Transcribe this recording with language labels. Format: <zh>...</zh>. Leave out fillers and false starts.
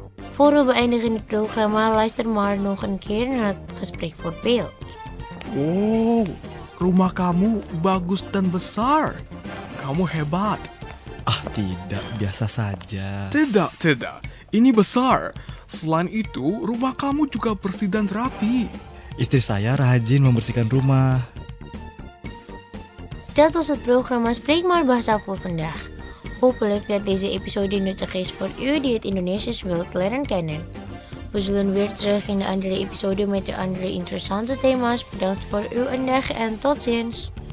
<nl>Voor we beëindigen het programma, luister maar nog een keer naar het gesprek voor beeld.</nl> <id>Wow, rumah kamu bagus dan besar. Kamu hebat. Ah tidak, biasa saja. Tidak, tidak. Ini besar. Selain itu, rumah kamu juga bersih dan rapi. Istri saya rajin membersihkan rumah.</id> <nl>Dat was het programma Spreek Maar Bahasa voor vandaag. Hopelijk dat deze episode nuttig is voor u die het Indonesisch wilt leren kennen. We zullen weer terug in de andere episode met de andere interessante thema's. Bedankt voor uw aandacht en tot ziens!</nl>